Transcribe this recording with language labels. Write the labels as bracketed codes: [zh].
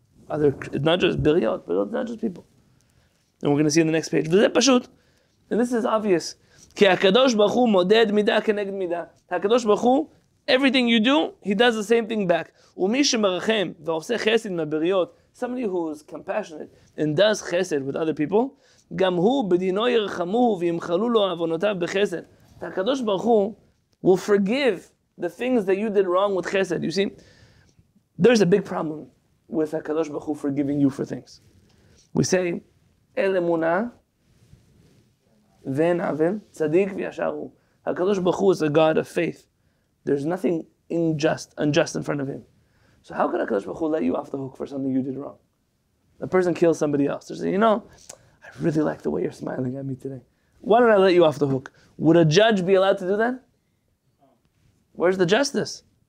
[en] Other, not just b'riyot, but not just people. And we're going to see in the next page. [he] V'ze pashut. [en] And this is obvious. [he] Ki HaKadosh Baruch Hu moded midah keneged midah. [en] HaKadosh Baruch Hu, everything you do, He does the same thing back. [he] U'mi shemarachem v'oseh chesed m'b'riyot. [en] Somebody who is compassionate and does chesed with other people. [he] גם הוא בדינו ירחמו וימחלו לו אבונותיו בחסד. [en] הקדוש ברוך הוא will forgive the things that you did wrong with chesed. You see, there's a big problem with הקדוש ברוך הוא forgiving you for things. We say, [he] אל אמונה ואין עוול, צדיק וישר הוא. [en] הקדוש ברוך הוא is a God of faith. There's nothing unjust in front of Him. So how could הקדוש ברוך הוא let you off the hook for something you did wrong? A person kills somebody else. They're saying, you know, I really like the way you're smiling at me today. Why don't I let you off the hook? Would a judge be allowed to do that? Where's the justice?